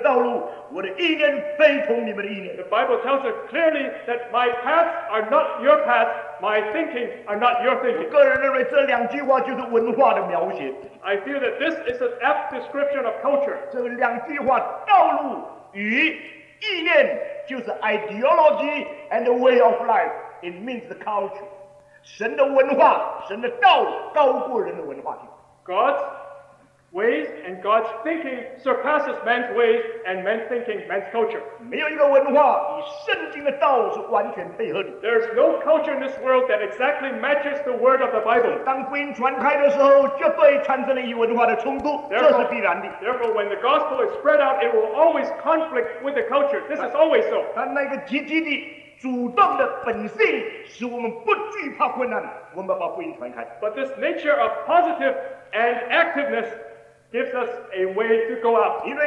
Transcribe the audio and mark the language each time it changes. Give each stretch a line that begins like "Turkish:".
Chinese: 圣经清楚说我的道路非同你们的道路，我的意念非同你们的意念。
English: The Bible tells us clearly that my paths are not your paths. My thinking are not your thinking.
Chinese: 我个人认为这两句话就是文化的描写。
English: I feel that this is an apt description of culture.
Chinese: 这两句话，道路与意念，就是
English: ideology and the way of life. It means the culture.
Chinese: 神的文化，神的道高过人的文化性。
English: God's ways and God's thinking surpasses man's ways and man's thinking, man's culture.
Chinese: 没有一个文化与圣经的道是完全配合的。
English: There's no culture in this world that exactly matches the word of the Bible.
Chinese: 当福音传开的时候，绝对产生了与文化的冲突， 这是必然的。
English: Therefore, when the gospel is spread out, it will always conflict with the culture. This is always so.
Chinese: 但那个积极的 主动的本性使我们不惧怕困难，我们把福音传开。
English: But this nature of positive and activeness gives us a way to go out.